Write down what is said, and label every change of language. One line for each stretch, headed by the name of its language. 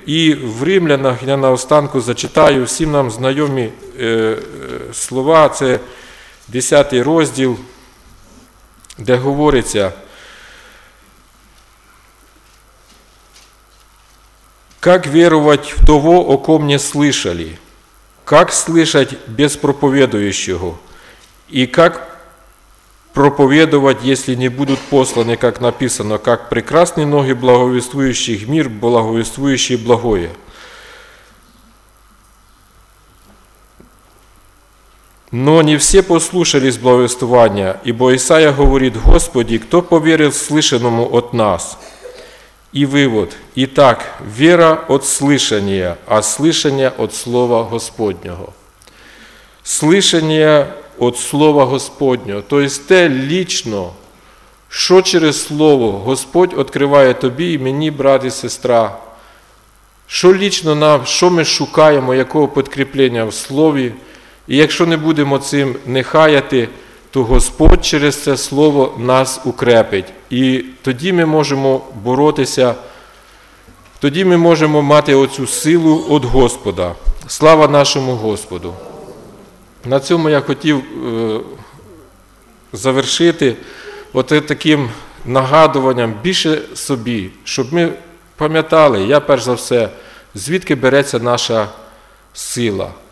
Ukrainian: І в Римлянах я наостанку зачитаю всім нам знайомі слова, це 10 розділ, де говориться,
Russian: «Как веровать в того, о ком не слышали? Как слышать без проповедующего? И как проповедовать, если не будут посланы, как написано, как прекрасны ноги благовествующих мир, благовествующие благое?» Но не все послушались благовествования, ибо Исаия говорит: «Господи, кто поверил слышанному от нас?» И вывод. Итак, вера от слышания, а слышание от Слова Господнего. Слышание от Слова Господнего, то есть те лично, что через Слово Господь открывает тобі и мені, брат и сестра, что лично нам, что мы шукаем, какого подкрепления в Слове,
Ukrainian: і якщо не будемо цим не хаяти, то Господь через це слово нас укрепить. І тоді ми можемо боротися, тоді ми можемо мати оцю силу від Господа. Слава нашому Господу! На цьому я хотів завершити от таким нагадуванням більше собі, щоб ми пам'ятали, я перш за все, звідки береться наша сила.